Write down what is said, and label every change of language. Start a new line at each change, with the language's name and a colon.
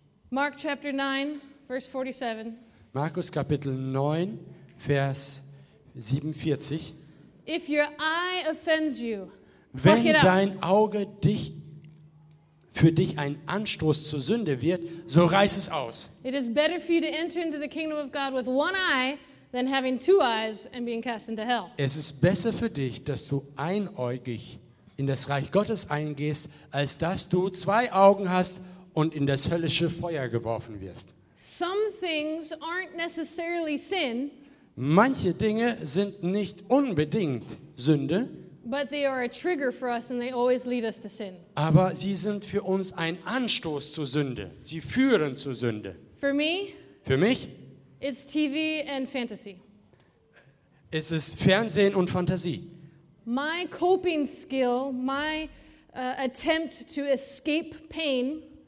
English: Mark chapter 9, verse 47.
German: Markus Kapitel 9, Vers 47.
English: If your eye offends you,
German: wenn dein Auge dich für dich ein Anstoß zur Sünde wird, so reiß es aus.
English: It is better for you to enter into the kingdom of God with one eye than having two eyes and being cast into hell.
German: Es ist besser für dich, dass du einäugig in das Reich Gottes eingehst, als dass du zwei Augen hast und in das höllische Feuer geworfen wirst.
English: Some things aren't necessarily sin.
German: Manche Dinge sind nicht unbedingt Sünde.
English: But they are a trigger for us and they always lead us to sin.
German: Aber sie sind für uns ein Anstoß zur Sünde. Sie führen zur Sünde.
English: For me?
German: Für mich?
English: It's TV and fantasy.
German: Es ist Fernsehen und Fantasie.
English: My coping skill, my attempt to escape pain.